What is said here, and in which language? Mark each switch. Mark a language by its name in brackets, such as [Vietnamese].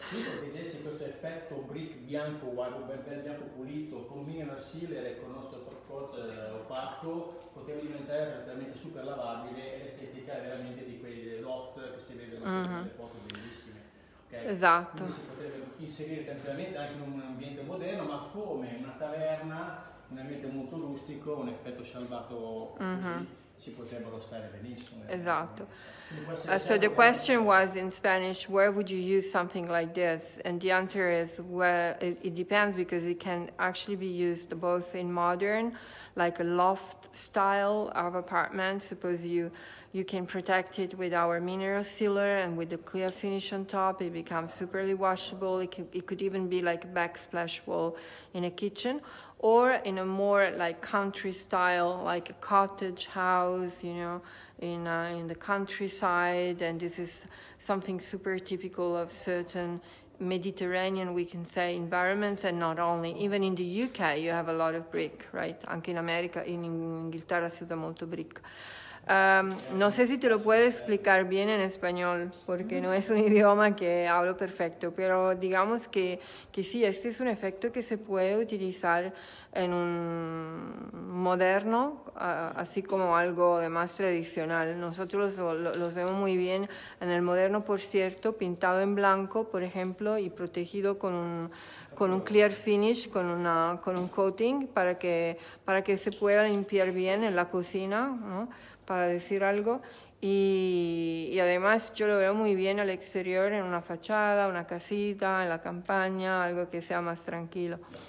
[Italian] Che vedessi questo effetto brick bianco, bel bianco pulito, combinano a silere con il nostro corpo opaco, poteva diventare veramente super lavabile e l'estetica veramente di quei loft che si vedono sulle foto bellissime. Okay? Esatto. Quindi si potrebbe inserire tranquillamente anche in un ambiente moderno, ma come una taverna, un ambiente molto rustico, un effetto salvato così. [English] Exactly. So the question was in Spanish, where would you use something like this? And the answer is, well, it depends, because it can actually be used both in modern, like a loft style of apartment. Suppose you can protect it with our mineral sealer and with the clear finish on top, it becomes superly washable. It could even be like a backsplash wall in a kitchen. Or in a more like country style, like a cottage house, you know, in the countryside. And this is something super typical of certain Mediterranean, we can say, environments, and not only. Even in the UK, you have a lot of brick, right? [Italian] Anche in America, in Inghilterra si usa molto brick. Non so se te lo puoi spiegare bene in spagnolo, perché non è un idioma che hablo perfetto, però diciamo che sì, questo è un effetto che si può utilizzare in un moderno, così come [Spanish] algo di más tradicional. Nosotros lo vemos muy bien en el moderno, por cierto, pintado en blanco, por ejemplo, y protegido con un clear finish, con un coating, para que se pueda limpiar bien en la cocina, ¿no? Para decir algo, y además yo lo veo muy bien al exterior, en una fachada, una casita, en la campaña, algo que sea más tranquilo.